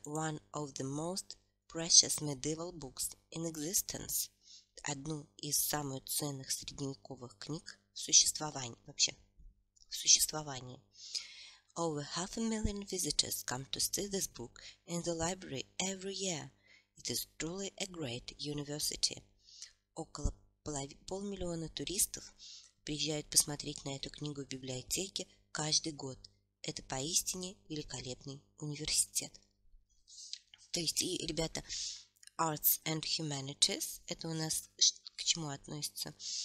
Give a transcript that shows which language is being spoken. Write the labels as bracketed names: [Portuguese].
[English] One of the most precious medieval books in existence. [Russian] Одну из самых ценных средневековых книг в существовании. Вообще, в существовании. [English] Over half a million visitors come to see this book in the library every year. It is truly a great university. [Russian] Около полмиллиона туристов приезжают посмотреть на эту книгу в библиотеке каждый год. Это поистине великолепный университет. То есть, и, ребята, arts and humanities, это у нас к чему относится?